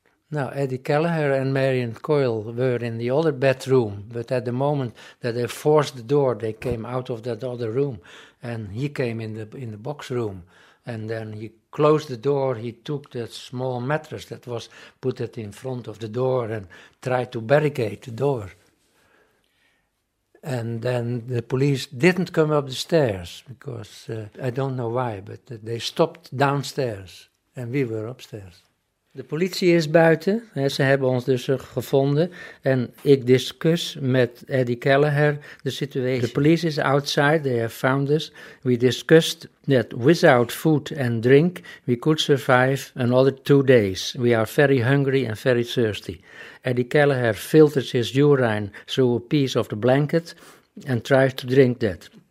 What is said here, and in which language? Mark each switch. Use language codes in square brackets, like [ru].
[en] Now, Eddie Kelleher and Marion Coyle were in the other bedroom, but at the moment that they forced the door, they came out of that other room, and he came in the box room, and then he closed the door, he took that small mattress that was put it in front of the door and tried to barricade the door. And then the police didn't come up the stairs, because I don't know why, but they stopped downstairs, and we were upstairs. [nl] De politie is buiten, ze hebben ons dus gevonden. En ik discuss met Eddie Kelleher de situatie. [en] The police is outside, they have found us. We discussed that without food and drink, we could survive another 2 days. We are very hungry and very thirsty. Eddie Kelleher filters his urine through a piece of the blanket and tries to drink that.